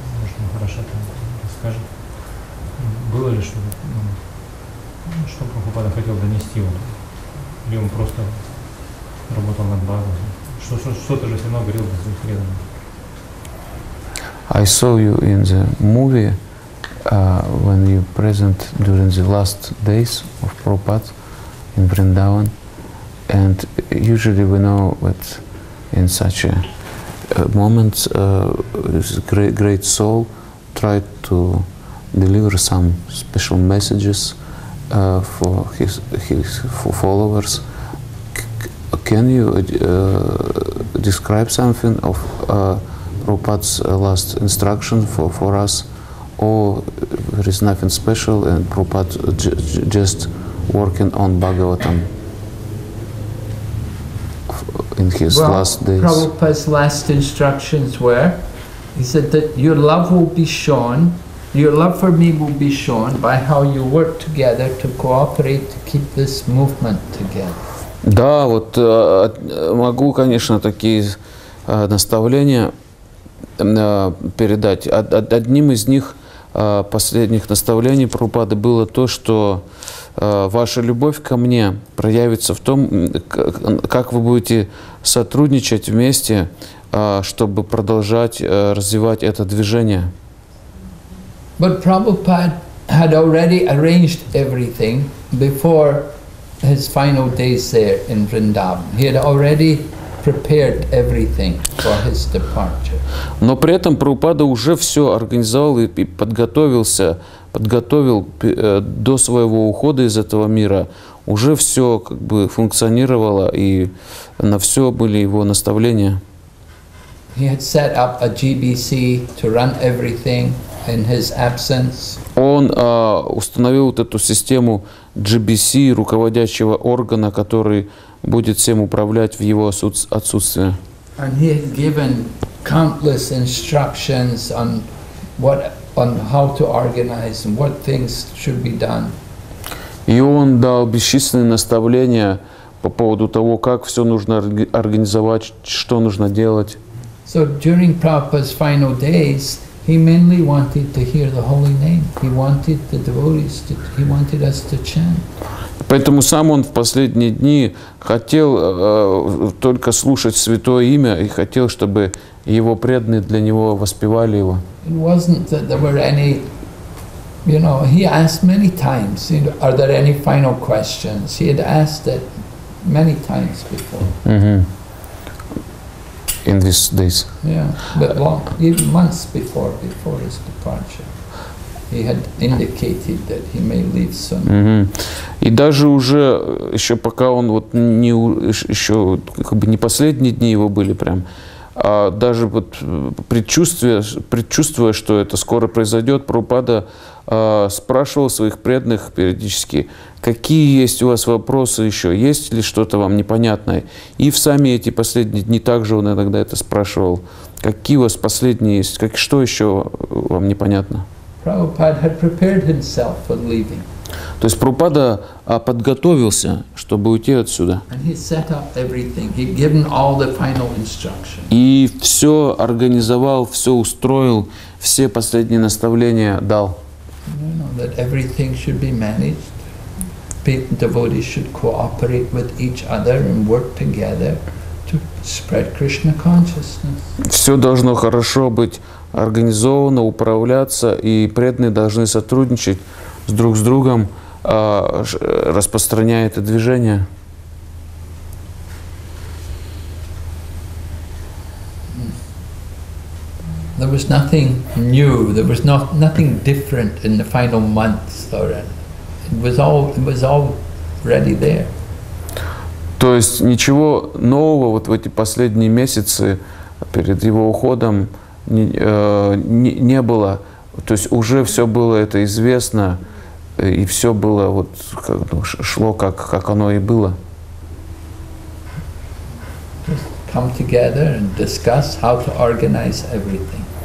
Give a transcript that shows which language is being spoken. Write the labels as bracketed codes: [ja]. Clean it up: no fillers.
[ru] Может, Махарадж это расскажет. Было ли что-то, что Прабхупада хотел донести вот? Или он просто работал над базой? Что-то же все равно говорил за своих преданных. [en] I saw you in the movie when you present during the last days of Prabhupada in Vrindavan, and usually we know that in such a moment this great soul tried to deliver some special messages for his followers. Can you describe something of Prabhupada's last instruction for us, or there is nothing special and Prabhupada just working on Bhagavatam in his last days? Well, Prabhupada's last instructions were, he said that your love will be shown, your love for me will be shown by how you work together to cooperate to keep this movement together. [ru] Да, вот могу, конечно, такие наставления передать. Одним из них, последних наставлений Прабхупады, было то, что ваша любовь ко мне проявится в том, как вы будете сотрудничать вместе, чтобы продолжать развивать это движение. [en] But Prabhupada had already arranged everything before his final days there in Vrindavan. He had already prepared everything for his departure. [ru] Но при этом Прабхупада уже все организовал и подготовился, подготовил до своего ухода из этого мира. Уже все как бы функционировало, и на все были его наставления. [en] He had set up a GBC to run everything. in his absence. [ru] Он установил вот эту систему GBC, руководящего органа, который будет всем управлять в его отсутствие. [en] And he had given countless instructions on what, on how to organize and what things should be done. [ru] И он дал бесчисленные наставления по поводу того, как все нужно организовать, что нужно делать. [en] So during Prabhupada's final days, he mainly wanted to hear the holy name. He wanted the devotees to, he wanted us to chant. [ru] Поэтому сам он в последние дни хотел только слушать святое имя и хотел, чтобы его преданные для него воспевали его. [en] It wasn't that there were any, you know, he asked many times, you know, are there any final questions? He had asked it many times before. Mm-hmm. In these days. Yeah, but long, even months before, before his departure. He had indicated that he may leave soon. Mm-hmm. [ru] И даже уже еще пока он вот не еще как бы не последние дни его были прям, а даже вот предчувствуя, что это скоро произойдет, Прабхупада спрашивал своих преданных периодически, какие есть у вас вопросы еще, есть ли что-то вам непонятное. И в сами эти последние дни также он иногда это спрашивал, какие у вас последние есть, как, что еще вам непонятно. [en] Prabhupada had prepared himself for leaving. [ru] То есть Прабхупада подготовился, чтобы уйти отсюда. [en] And he set up everything. He'd given all the final instructions. [ru] И все организовал, все устроил, все последние наставления дал. [en] You know, that everything should be managed. Devotees should cooperate with each other and work together to spread Krishna consciousness. [ru] Все должно хорошо быть организованно управляться, и преданные должны сотрудничать друг с другом, распространяя это движение. [en] There was nothing new, there was nothing different in the final months, Lauren. It was all ready there. [ru] То есть ничего нового вот в эти последние месяцы перед его уходом не было, то есть уже все было это известно, и все было вот как, ну, шло как оно и было. [en] Come together and discuss how to organize everything.